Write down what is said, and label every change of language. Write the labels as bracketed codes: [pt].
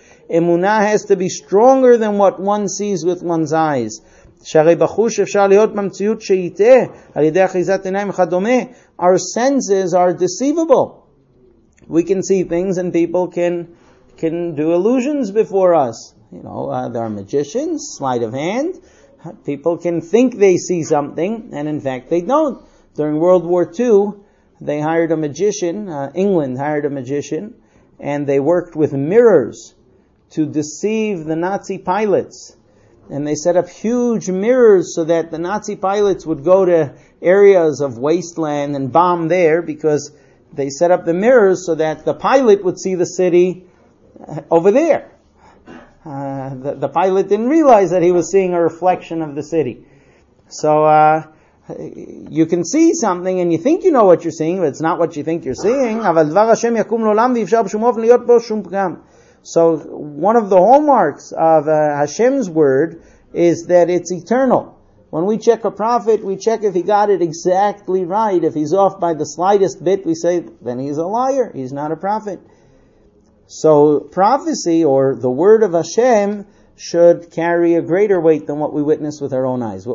[en] Emunah has to be stronger than what one sees with one's eyes. [he] שהרי בחוש אפשר להיות במציאות שייתה על ידי אחיזת עיניים וכדומה. [en] Our senses are deceivable. We can see things and people can do illusions before us. You know, there are magicians, sleight of hand. People can think they see something and in fact they don't. During World War II, they hired a magician, England hired a magician, and they worked with mirrors to deceive the Nazi pilots. And they set up huge mirrors so that the Nazi pilots would go to areas of wasteland and bomb there, because they set up the mirrors so that the pilot would see the city over there. The pilot didn't realize that he was seeing a reflection of the city. So you can see something and you think you know what you're seeing, but it's not what you think you're seeing. [he] אבל דבר השם יקום לעולם ואפשר בשום אופן להיות בו שום פגם. [en] So one of the hallmarks of Hashem's word is that it's eternal. When we check a prophet, we check if he got it exactly right. If he's off by the slightest bit, we say, then he's a liar. He's not a prophet. So prophecy, or the word of Hashem, should carry a greater weight than what we witness with our own eyes.